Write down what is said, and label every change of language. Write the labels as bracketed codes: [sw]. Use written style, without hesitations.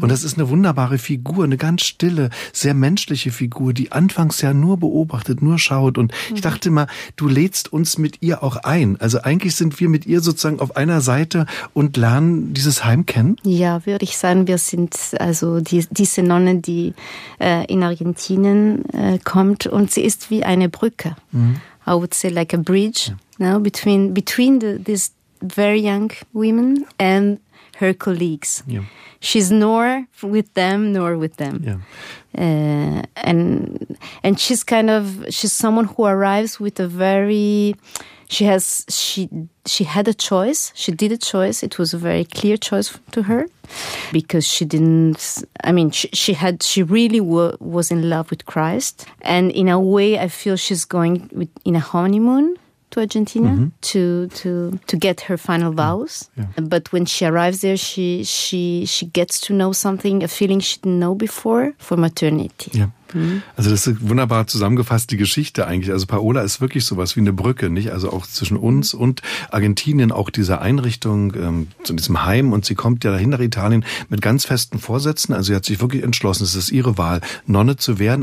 [de] Und das ist eine wunderbare Figur, eine ganz stille, sehr menschliche Figur, die anfangs ja nur beobachtet, nur schaut. Und ich dachte mal, du lädst uns mit ihr auch ein. Also eigentlich sind wir mit ihr sozusagen auf einer Seite und lernen dieses Heim kennen. Ja, würde ich sagen, wir sind also diese Nonne, die in Argentinien kommt. Und sie ist wie eine Brücke. Mhm. [en] I would say like a bridge, you know, between these very young women and her colleagues. Yeah. She's nor with them, nor with them. And she's kind of, she's someone who arrives with a very, she had a choice. She did a choice. It was a very clear choice to her, because she didn't, I mean, she really was in love with Christ. And in a way, I feel she's going in a honeymoon to Argentina to get her final vows. Yeah. But when she arrives there, she gets to know something, a feeling she didn't know before, for maternity. Yeah. [de] Also das ist wunderbar zusammengefasst, die Geschichte eigentlich. Also Paola ist wirklich sowas wie eine Brücke, nicht? Also auch zwischen uns und Argentinien, auch diese Einrichtung, zu diesem Heim. Und sie kommt ja dahin nach Italien mit ganz festen Vorsätzen. Also sie hat sich wirklich entschlossen, es ist ihre Wahl, Nonne zu werden.